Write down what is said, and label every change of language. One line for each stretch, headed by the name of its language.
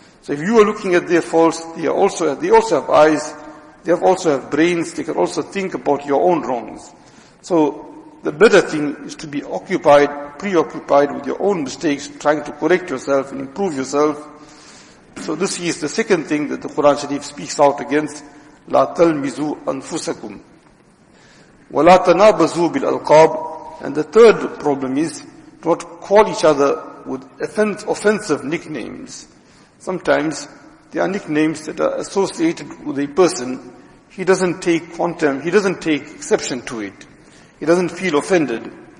English: So if you are looking at their faults, they also have eyes, they also have brains, they can also think about your own wrongs. So the better thing is to be occupied, preoccupied with your own mistakes, trying to correct yourself and improve yourself. So this is the second thing that the Quran Sharif speaks out against.
Arabic: لا تلمزوا أنفسكم ولا تنابزوا بالألقاب.
English: And the third problem is, don't call each other with offensive nicknames. Sometimes there are nicknames that are associated with a person. He doesn't take contempt, he doesn't take exception to it. He doesn't feel offended.